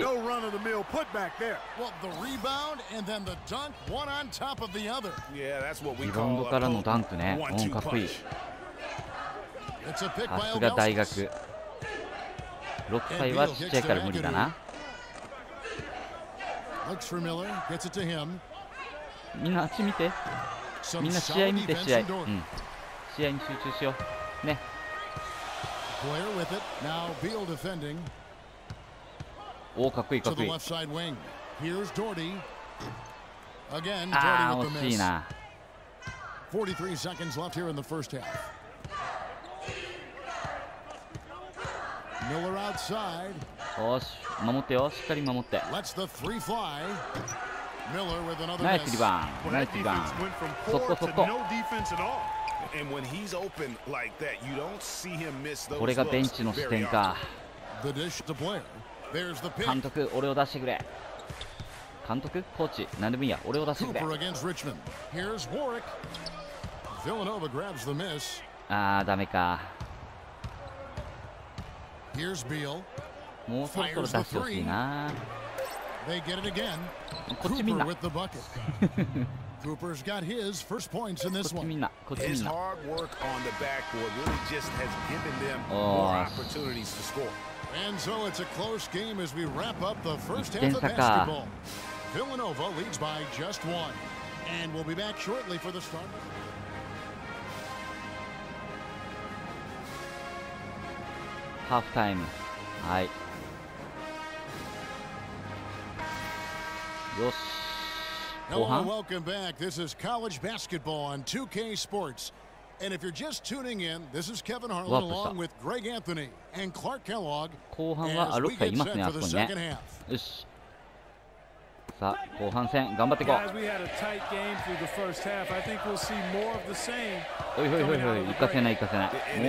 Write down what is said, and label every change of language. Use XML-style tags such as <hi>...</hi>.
<en>No run of the mill put back there. Well, the rebound and then the dunk, one on top of the other. Yeah, that's what we call</en> <ja>リバウンドからのダンクね。うん、かっこいい。</ja> <en>It's a pick by</en> <ja>さすが大学。 6歳はちっちゃいから無理だな。</ja> <en>Looks for Miller, gets it to him.</en> <ja>みんなあっち見て。みんな試合見て、試合。うん。試合に集中しようね。</ja> <en>Blair with it. Now Beal defending.</en> <ja>おお、かっこいい、かっこいい。</ja> <en>To the left side wing. Here's Doherty. Again, Jordan with the miss. 43 seconds left here in the first half. Miller outside.</en> <ja>よし、守ってよ、しっかり守って。</ja> <en>Let's the three fly. Miller with another miss.</en> <ja>ナイスリバーン、ナイスリバーン。そこそこ。</ja> <en>And when he's open like that, you don't see him miss those.</en> <ja>これがベンチの視点か。</ja> <en>The dish to Blair. There's the pick.</en> <ja>監督、俺を出してくれ。監督、コーチ、何でもいいや、俺を出してくれ。</ja> <en>Cooper against Richmond. Here's Warwick. Villanova grabs the miss.</en> <ja>ああ、ダメか。</ja> <en>Here's Beal.</en> <ja>もうそろそろ出してほしいな。</ja> <en>They get it again.</en> <ja>こっちみんな。</ja> <en>Cooper with the bucket. Cooper's got his first points in this one. His hard work on the backboard really just has given them more opportunities to score. And so it's a close game as we wrap up the first half of basketball. Villanova leads by just one. And we'll be back shortly for the start. Half time. はい。</en> <ja>よし。</ja> <en>Hello and welcome back. This is College Basketball on 2K Sports. And if you're just tuning in, this is Kevin Harlan along with Greg Anthony and Clark Kellogg.</en> <ja>後半はアロッカいますね、あそこにね。よし。さあ、後半戦、頑張っていこう。</ja> <en>Guys, we had a tight game through the first half. I think we'll see more of the same.</en> <ja>おいおいおいおい、行かせない行かせない。</ja>